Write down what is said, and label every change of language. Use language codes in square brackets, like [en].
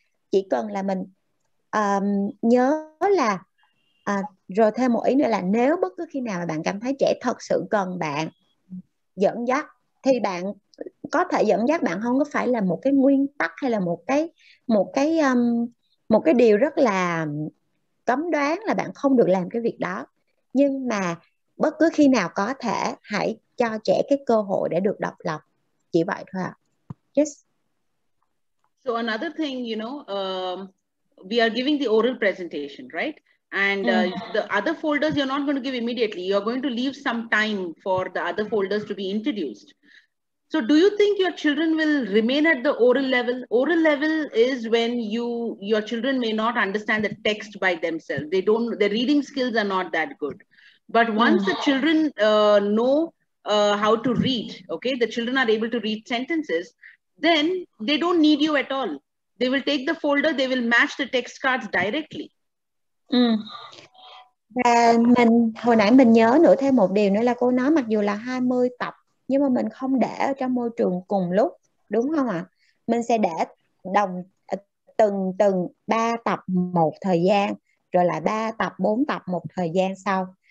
[vi] Chỉ cần là mình nhớ là rồi thêm một ý nữa là nếu bất cứ khi nào mà bạn cảm thấy trẻ thật sự cần bạn dẫn dắt, thì bạn có thể dẫn dắt, bạn không có phải là một cái nguyên tắc hay là một cái điều rất là cấm đoán là bạn không được làm cái việc đó. Nhưng mà bất cứ khi nào có thể, hãy cho trẻ cái cơ hội để được độc lập. Chỉ vậy thôi ạ. Yes. [en] So another thing, you know, we are giving the oral presentation, right? And the other folders you're not going to give immediately. You're going to leave some time for the other folders to be introduced. So do you think your children will remain at the oral level? Oral level is when your children may not understand the text by themselves. They don't, their reading skills are not that good. But once the children know how to read, okay, the children are able to read sentences, then they don't need you at all. They will take the folder, they will match the text cards directly. [vi] Và mình hồi nãy mình nhớ nữa thêm một điều nữa là cô nói mặc dù là 20 tập nhưng mà mình không để ở trong môi trường cùng lúc, đúng không ạ? Mình sẽ để đồng từng 3 tập một thời gian, rồi lại 3 tập, 4 tập một thời gian sau.